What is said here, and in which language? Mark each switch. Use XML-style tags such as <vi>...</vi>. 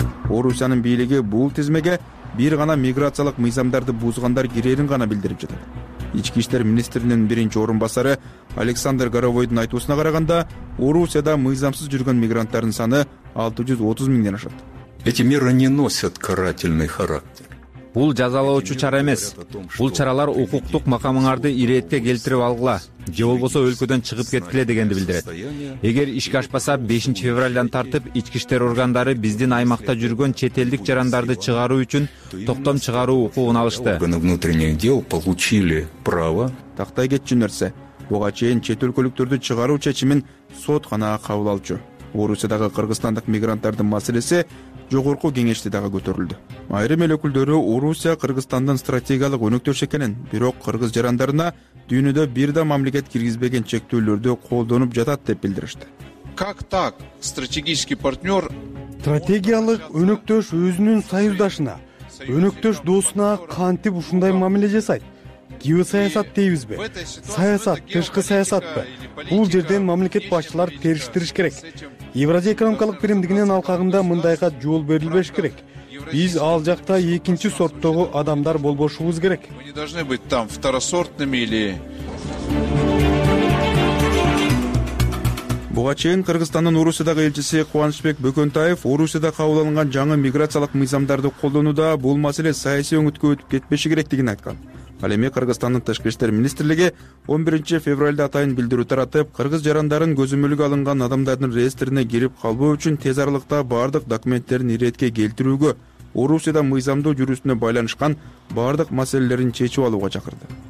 <ky>Орусиянын бийлиги бул тизмеге бир гана миграциялык мыйзамдарды бузгандар кирерин гана билдирип жатат. Ички иштер министринин биринчи орун басары Александр Горовойдун айтуусуна караганда, Орусияда мыйзамсыз жүргөн мигранттардын саны 630 000 ашат.</ky> <ru>Эти меры не носят карательный характер.</ru> <ky>Бул жазалоочу чара эмес. Бул чаралар укуктук макамыңарды иретке келтирип алгыла же болбосо өлкөдөн чыгып кеткиле дегенди билдирет. Эгер ишке ашпаса 5-февралдан тартып ички иштер органдары биздин аймакта жүргөн чет элдик жарандарды чыгаруу үчүн токтом чыгаруу укугун алышты.</ky> <ru>Внутренних дел получили право.</ru> <ky>Тактай кетчү нерсе, буга чейин чет өлкөлүктөрдү чыгаруу чечимин сот гана кабыл алчу. Орусиядагы кыргызстандык мигранттардын маселеси жогорку кеңеште дагы көтөрүлдү. Айрым эл өкүлдөрү Орусия Кыргызстандын стратегиялык өнөктөш экенин, бирок кыргыз жарандарына дүйнөдө бир да мамлекет киргизбеген чектөөлөрдү колдонуп жатат деп билдиришти.</ky> <ru>Как так? Стратегический партнер.</ru> <ky>Стратегиялык өнөктөш өзүнүн союздашына, өнөктөш досуна кантип ушундай мамиле жасайт? Геосаясат дейбизби? Саясат, тышкы саясатпы? Бул жерден мамлекет башчылары териштириш керек. Евразия экономикалык биримдигинин алкагында мындайга жол берилбеш керек. Биз ал жакта экинчи сорттогу адамдар болбошубуз керек.</ky> <ru>Мы не должны быть там второсортными или.</ru> <ky>Буга чейин Кыргызстандын Орусиядагы элчиси Кубанычбек Бөкөнтаев Орусияда кабыл алынган жаңы миграциялык мыйзамдарды колдонууда бул маселе саясий өңүткө өтүп кетпеши керектигин айткан. Ал эми Кыргызстандын тышкы иштер министрлиги 11-февралда атайын билдирүү таратып, кыргыз жарандарын көзөмөлгө алынган адамдардын реестрине кирип калбоо үчүн тез аралыкта баардык документтерин иретке келтирүүгө, Орусияда мыйзамдуу жүрүүсүнө байланышкан баардык маселелерин чечип алууга чакырды.</ky>